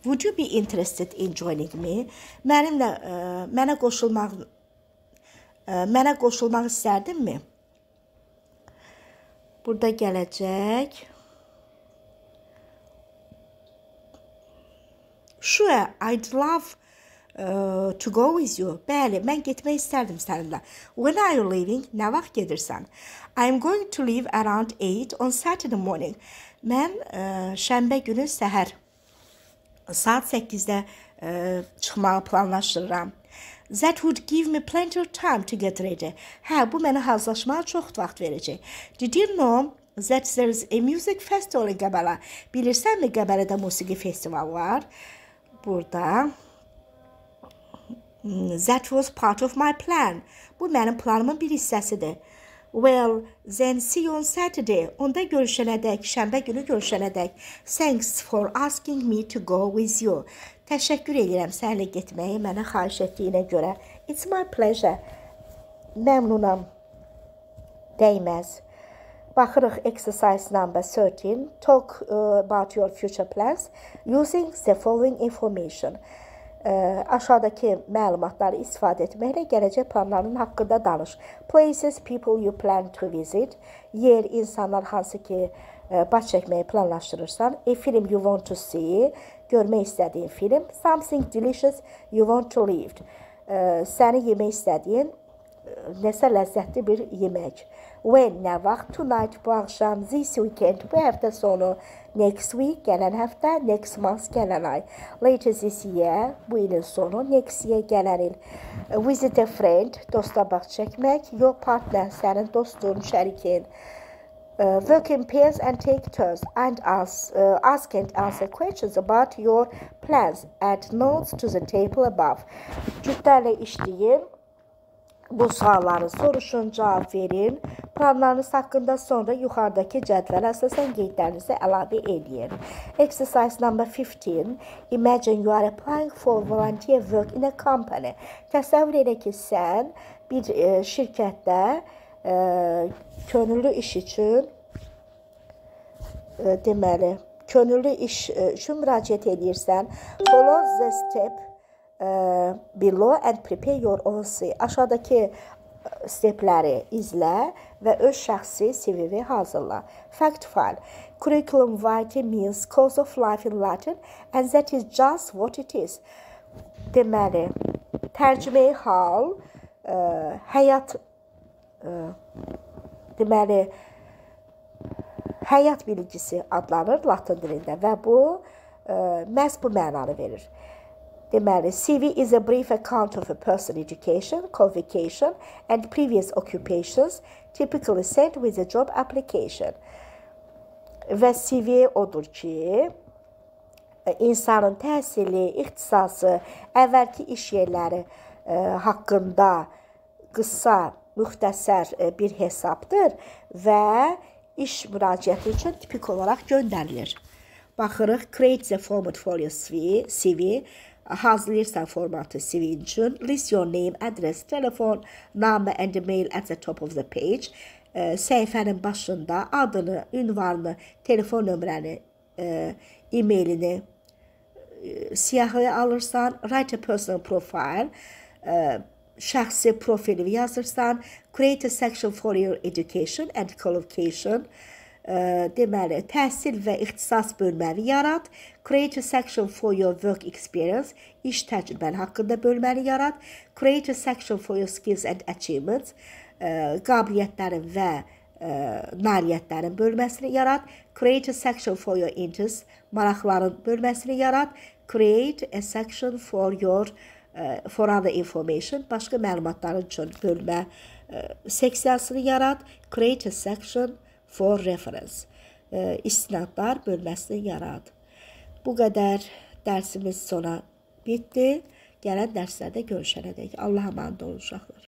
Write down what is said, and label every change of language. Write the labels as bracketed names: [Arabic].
[English] Would you be interested in joining me? [Azerbaijani] Mənimlə, mənə qoşulmaq istərdin mi? Burada gələcək. [English] Sure, I'd love to go with you. [Azerbaijani] Bəli, mən getmək istərdim səninlə. [English] When are you leaving? [Azerbaijani] Nə vaxt gedirsən? [English] I'm going to leave around 8 on Saturday morning. [Azerbaijani] Mən şənbə günü səhər saat 8-də çıxmağı planlaşdırıram. [English] That would give me plenty of time to get ready. [Azerbaijani] Hə, bu mənə hazırlaşmağa çox vaxt verəcək. [English] Did you know that there is a music festival in Qəbələ? [Azerbaijani] Bilirsən mi, Qəbələdə musiqi festivalı var? Burada. [English] That was part of my plan. [Azerbaijani] Bu mənim planımın bir hissəsidir. [English] Well, then see you on Saturday. [Azerbaijani] Onda görüşənə dək, şənbə günü görüşənə dək. [English] Thanks for asking me to go with you. [Azerbaijani] Təşəkkür edirəm səninlə getməyi mənə xahiş etdiyinə görə. [English] It's my pleasure. [Azerbaijani] Məmnunam. Dəyməz. Baxırıq [English] exercise number 13. Talk about your future plans using the following information. [Azerbaijani] Aşağıdakı məlumatları istifadə etməklə gələcək planların haqqında danış. [English] Places, people you plan to visit. [Azerbaijani] Yer, insanlar hansı ki baş çəkməyi planlaşdırırsan. [English] A film you want to see. [Azerbaijani] Görmək istədiyin film. [English] Something delicious you want to eat. [Azerbaijani] Səni yemək istədiyin nəsə ləzzətli bir yemək. [English] When, [Azerbaijani] nə vaxt? [English] Tonight, [Azerbaijani] bu axşam. [English] This weekend, [Azerbaijani] bu həftə sonu. [English] Next week, [Azerbaijani] gələn həftə. [English] Next month, [Azerbaijani] gələn ay. [English] Later this year, [Azerbaijani] bu ilin sonu. [English] Next year, [Azerbaijani] gələn il. [English] Visit a friend, [Azerbaijani] dosta baş çəkmək. [English] Your partner, [Azerbaijani] sənin dostun, şərikin. [English] Work in pairs and take turns and ask and answer questions about your plans. Add notes to the table above. [Azerbaijani] Cütlərlə işləyin. Bu sualları soruşun, cavab verin. Planlarınız haqqında sonra yuxarıdakı cədvələ əsasən qeydlərinizi əlavə edin. [English] Exercise number 15. Imagine you are applying for volunteer work in a company. [Azerbaijani] Təsəvvür edin ki, sən bir şirkətdə könüllü iş üçün deməli, könüllü iş üçün müraciət edirsən. [English] Follow the step below and prepare your own CV. [Azerbaijani] Aşağıdakı stepləri izlə və öz şəxsi CV-vi hazırla. [English] Fact file. Curriculum vitae means course of life in Latin and that is just what it is. [Azerbaijani] Deməli, tərcüməyi hal, həyat deməli, həyat bilgisi adlanır Latin dilində və bu məhz bu mənanı verir. Deməli, [English] CV is a brief account of a person's education, qualification and previous occupations, typically sent with a job application. [Azerbaijani] Və CV odur ki, insanın təhsili, ixtisası, əvvəlki iş yerləri haqqında qısa, müxtəsər bir hesabdır və iş müraciəti üçün tipik olaraq göndərilir. Baxırıq, [English] create the format for your CV. [Azerbaijani] Hazırlayırsan formatı CV üçün. [English] List your name, address, telephone, number and mail at the top of the page. [Azerbaijani] Səhifənin başında adını, ünvanını, telefon nömrəni, e-mailini siyahıya alırsan. [English] Write a personal profile. [Azerbaijani] Şəxsi profili yazırsan. [English] Create a section for your education and qualification. Deməli, təhsil və ixtisas bölməni yarat. Create a section for your work experience. [Azerbaijani] İş təcrübəni haqqında bölməni yarat. [English] Create a section for your skills and achievements. [Azerbaijani] Qabiliyyətlərin və nailiyyətlərin bölməsini yarat. [English] Create a section for your interests. [Azerbaijani] Maraqların bölməsini yarat. [English] Create a section for your for other information. [Azerbaijani] Başqa məlumatların üçün bölmə seksiyasını yarat. [English] Create a section for reference. [Azerbaijani] İstinadlar bölməsini yarad. Bu qədər dərsimiz sona bitdi. Gələn dərslərdə görüşənə dək. Allah'a emanet olun uşaqlar.